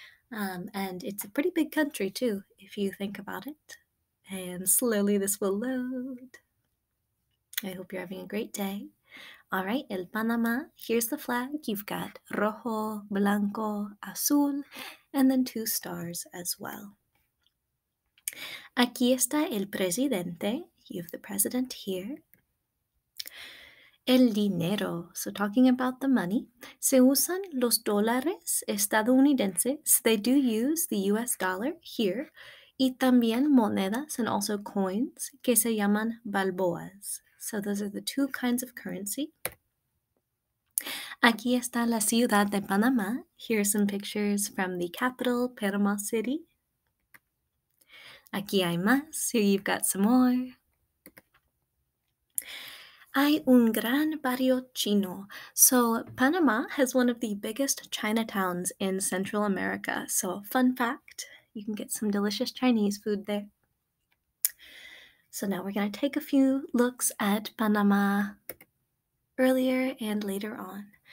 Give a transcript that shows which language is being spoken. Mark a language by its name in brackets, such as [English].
[English] And it's a pretty big country too, if you think about it. And slowly this will load. I hope you're having a great day. All right, El Panamá, here's the flag. You've got [Spanish] rojo, blanco, azul, [English] and then two stars as well. [Spanish] Aquí está el presidente. [English] You have the president here. [Spanish] El dinero, [English] so talking about the money. [Spanish] Se usan los dólares estadounidenses. [English] They do use the U.S. dollar here. [Spanish] Y también monedas [English] and also coins [Spanish] que se llaman balboas. [English] So those are the two kinds of currency. [Spanish] Aquí está la ciudad de Panamá. [English] Here are some pictures from the capital, Panama City. [Spanish] Aquí hay más. [English] Here you've got some more. [Spanish] Hay un gran barrio chino. [English] So Panama has one of the biggest Chinatowns in Central America. So fun fact, you can get some delicious Chinese food there. So now we're going to take a few looks at Panama earlier and later on.